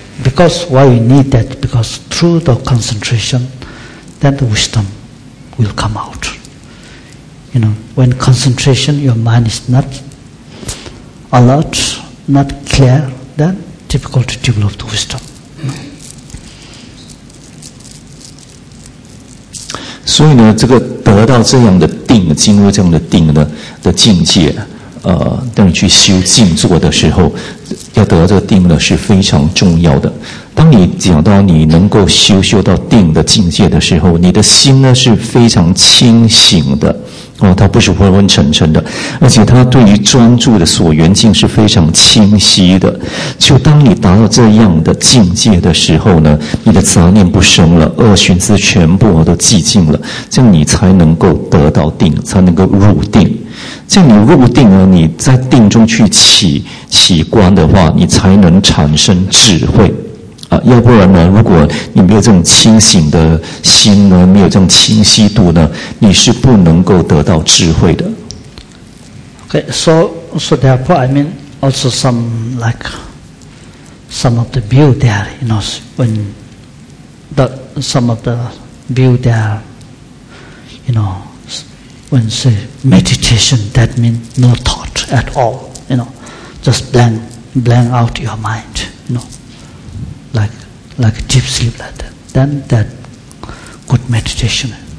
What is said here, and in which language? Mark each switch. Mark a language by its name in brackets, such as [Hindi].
[English] Because why you need that? Because through the concentration, then the wisdom will come out. You know, when concentration, your mind is not alert, not clear, then difficult to develop the wisdom. [Chinese] 所以呢，这个得到这样的定，进入这样的定呢的境界，当你去修静坐的时候，要得到这个定呢是非常重要的。当你讲到你能够修到定的境界的时候，你的心呢是非常清醒的，它不是昏昏沉沉的，而且它对于专注的所缘境是非常清晰的。就当你达到这样的境界的时候呢，你的杂念不生了，恶寻思全部都寂静了，这样你才能够得到定，才能够入定。这样你入定了，你在定中去起观的话，你才能产生智慧。要不然呢，如果你没有这种清醒的心呢，没有这种清晰度呢，你是不能够得到智慧的。 [English] Okay, so therefore I mean also some of the view there, you know, when the some of the view there, you know, when say meditation, that means no thought at all, you know, just blank out your mind, you knowLike a deep sleep like that. Then that good meditation.